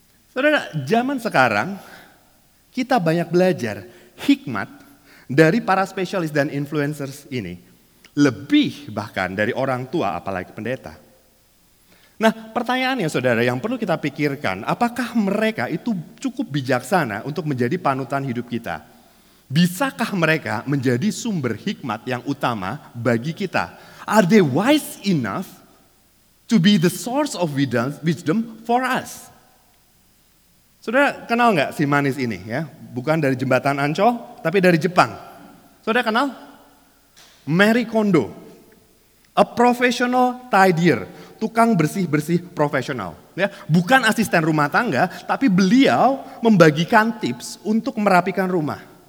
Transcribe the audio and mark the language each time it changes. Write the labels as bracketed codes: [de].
[id] Saudara, zaman sekarang kita banyak belajar hikmat dari para spesialis dan influencers ini. Lebih bahkan dari orang tua, apalagi pendeta. Nah, pertanyaannya, saudara, yang perlu kita pikirkan, apakah mereka itu cukup bijaksana untuk menjadi panutan hidup kita? Bisakah mereka menjadi sumber hikmat yang utama bagi kita? [en] Are they wise enough to be the source of wisdom for us? [id] Saudara kenal gak si manis ini ya? Bukan dari jembatan Ancol, tapi dari Jepang. Saudara kenal? Marie Kondo. [en] A professional tidier. [id] Tukang bersih-bersih profesional. Ya, bukan asisten rumah tangga, tapi beliau membagikan tips untuk merapikan rumah.